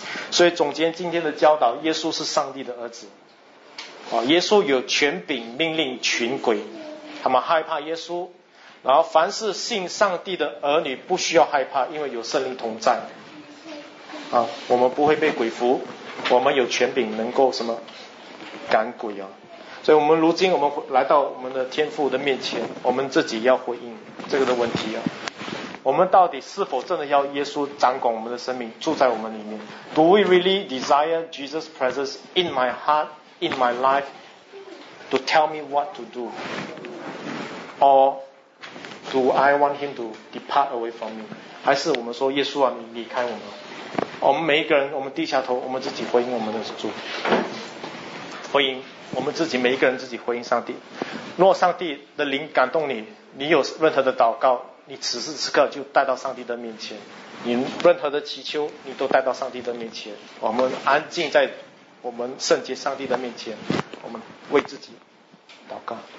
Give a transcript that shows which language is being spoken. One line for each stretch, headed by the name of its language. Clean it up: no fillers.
Chinese: 所以总结今天的教导，耶稣是上帝的儿子，耶稣有权柄命令群鬼，他们害怕耶稣，然后凡是信上帝的儿女不需要害怕，因为有圣灵同在，我们不会被鬼附，我们有权柄能够什么赶鬼啊。所以我们如今我们来到我们的天父的面前，我们自己要回应这个的问题啊，我们到底是否真的要耶稣掌管我们的生命，住在我们里面？
English: Do we really desire Jesus' presence in my heart, in my life, to tell me what to do? Or do I want him to depart away from me?
Chinese: 还是我们说耶稣啊，你离开我们？我们每一个人，我们低下头，我们自己回应我们的主，回应我们自己，每一个人自己回应上帝。若上帝的灵感动你，你有任何的祷告，你此时此刻就带到上帝的面前，你任何的祈求你都带到上帝的面前，我们安静在我们圣洁上帝的面前，我们为自己祷告。